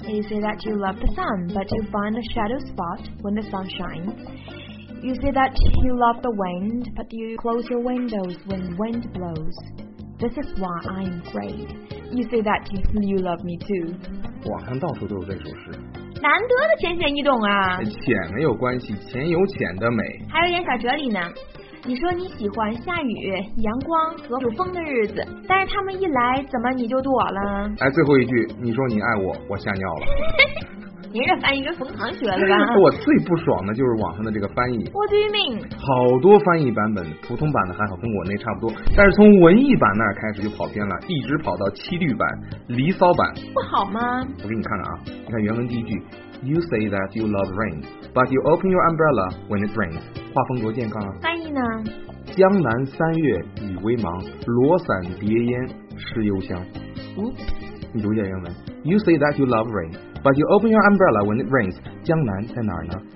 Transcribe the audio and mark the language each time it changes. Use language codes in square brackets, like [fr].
[en] You say that you love the sun, but you find a shadow spot when the sun shines. You say that you love the wind, but you close your windows when wind blows. This is why I am great. You say that you love me too. [zh] 网上到处都有这首诗，难得的浅显易懂啊！浅没有关系，浅有浅的美，还有点小哲理呢。你说你喜欢下雨、阳光和有风的日子，但是他们一来，怎么你就躲了？哎，最后一句，你说你爱我，我吓尿了。您这翻译跟冯唐学的吧？我最不爽的就是网上的这个翻译。 [en] What do you mean？ [zh] 好多翻译版本，普通版的还好，跟我那差不多，但是从文艺版那儿开始就跑偏了，一直跑到七律版、离骚版。不好吗？我给你看看啊，你看原文第一句 [en] ，You say that you love rain， but you open your umbrella when it rains。 [zh] 画风多健康啊！翻译呢？江南三月雨微茫，罗伞别烟湿幽香。嗯，你读一下原文。 [en] You say that you love rain, but you open your umbrella when it rains. [zh] 江南在哪儿呢？